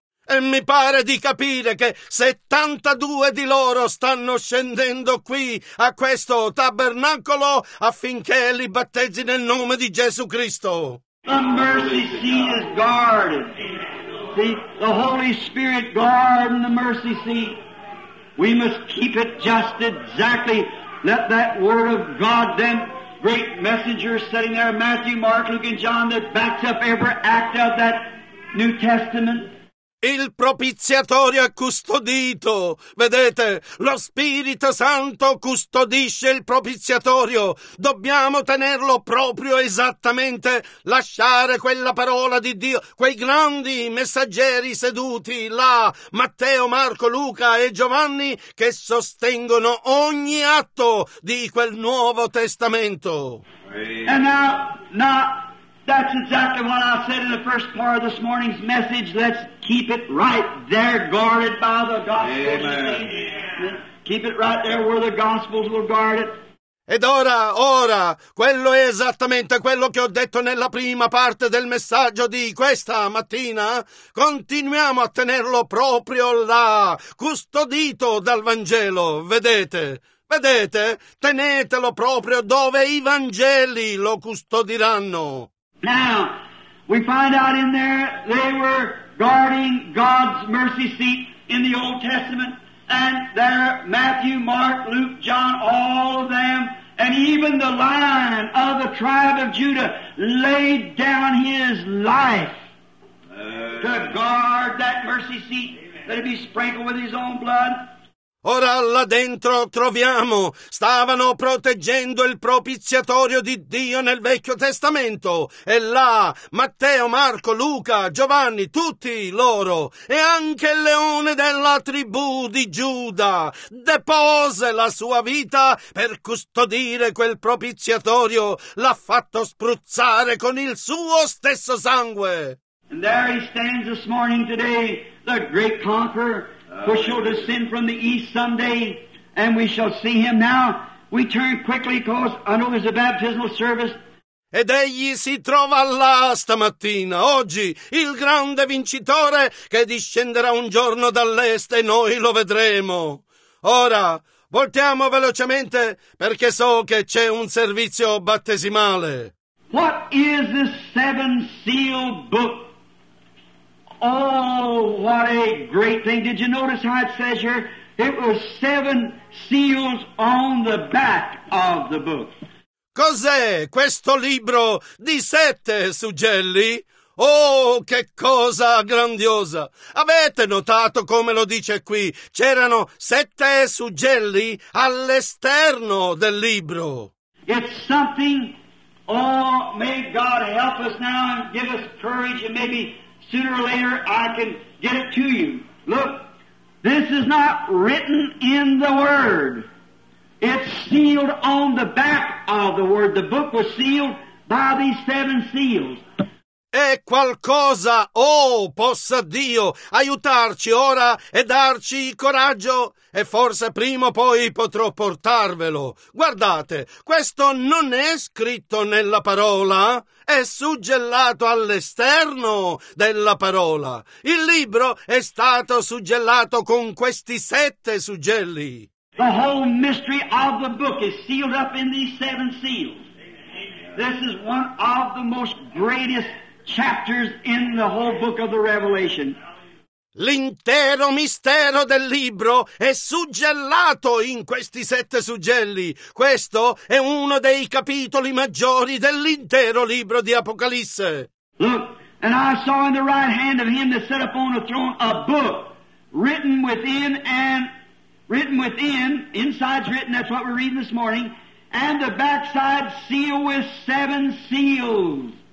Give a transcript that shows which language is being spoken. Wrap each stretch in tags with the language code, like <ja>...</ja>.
<it>E mi pare di capire che 72 di loro stanno scendendo qui a questo tabernacolo affinché li battezzi nel nome di Gesù Cristo.</it> <en>The mercy seat is guarded. The Holy Spirit guarding the mercy seat. We must keep it just exactly. Let that word of God, them great messengers sitting there, Matthew, Mark, Luke and John, that backs up every act of that New Testament.</en> <it>Il propiziatorio è custodito. Vedete, lo Spirito Santo custodisce il propiziatorio. Dobbiamo tenerlo proprio esattamente, lasciare quella parola di Dio. Quei grandi messaggeri seduti là, Matteo, Marco, Luca e Giovanni, che sostengono ogni atto di quel Nuovo Testamento.</it> <en>And now, that's exactly what I said in the first part of this morning's message. Let's keep it right there, guarded by the gospel. Amen. Keep it right there where the gospels will guard it.</en> <it>Ed ora, quello è esattamente quello che ho detto nella prima parte del messaggio di questa mattina. Continuiamo a tenerlo proprio là, custodito dal Vangelo, vedete? Vedete? Tenetelo proprio dove i Vangeli lo custodiranno.</it> <en>Now, we find out in there they were guarding God's mercy seat in the Old Testament, and there Matthew, Mark, Luke, John, all of them, and even the lion of the tribe of Judah laid down his life to guard that mercy seat, that it be sprinkled with his own blood.</en> <it>Ora là dentro troviamo, stavano proteggendo il propiziatorio di Dio nel Vecchio Testamento, e là Matteo, Marco, Luca, Giovanni, tutti loro, e anche il leone della tribù di Giuda, depose la sua vita per custodire quel propiziatorio, l'ha fatto spruzzare con il suo stesso sangue.</it> <en>And there he stands this morning today. the great conqueror, who shall descend from the east someday, and we shall see him now. We turn quickly, because I know there's a baptismal service.</en> <it>Ed egli si trova là stamattina, oggi, il grande vincitore che discenderà un giorno dall'est e noi lo vedremo. Ora, voltiamo velocemente perché so che c'è un servizio battesimale.</it> <en>What is this seven seal book? Oh, what a great thing. Did you notice how it says here? It was seven seals on the back of the book.</en> <it>Cos'è questo libro di sette suggelli? Oh, che cosa grandiosa! Avete notato come lo dice qui? C'erano sette suggelli all'esterno del libro.</it> <en>It's something, oh, may God help us now and give us courage and maybe sooner or later I can get it to you. Look, this is not written in the Word. It's sealed on the back of the word. The book was sealed by these seven seals.</en> <it>È qualcosa, oh, possa Dio aiutarci ora e darci coraggio, e forse prima o poi potrò portarvelo. Guardate, questo non è scritto nella parola, è suggellato all'esterno della parola. Il libro è stato suggellato con questi sette suggelli.</it> <en>The whole mystery of the book is sealed up in these seven seals. This is one of the most greatest chapters in the whole book of the Revelation.</en> <it>L'intero mistero del libro è suggellato in questi sette suggelli. Questo è uno dei capitoli maggiori dell'intero libro di Apocalisse.</it> <en>Look, and I saw in the right hand of him that sat upon the throne a book written within and written within, inside's written, that's what we're reading this morning, and the backside sealed with seven seals.</en>